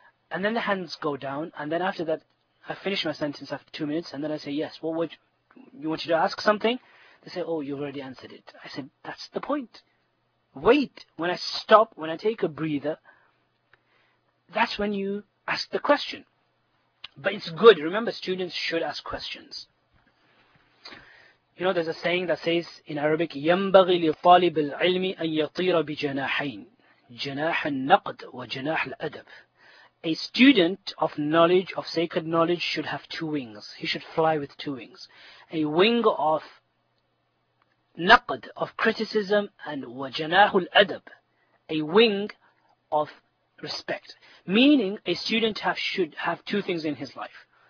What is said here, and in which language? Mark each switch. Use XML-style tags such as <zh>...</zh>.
<en>And then the hands go down, and then after that, I finish my sentence after 2 minutes, and then I say, yes, what would you want you to ask something? They say, oh, you've already answered it. I said, that's the point. Wait, when I stop, when I take a breather, that's when you ask the question. But it's good. Remember, students should ask questions. You know, there's a saying that says in Arabic,</en> <ar>يَنْبَغِ لِطَالِبِ الْعِلْمِ أَنْ يَطِيرَ بِجَنَاحَيْنِ جَنَاحَ النَّقْدِ وَجَنَاحَ الْأَدَبِ.</ar> <en>A student of knowledge, of sacred knowledge, should have two wings. He should fly with two wings. A wing of naqd, of criticism, and</en> <ar>وَجَنَاحُ الْأَدَبِ,</ar> <en>a wing of respect. Meaning, a student should have two things in his life.</en>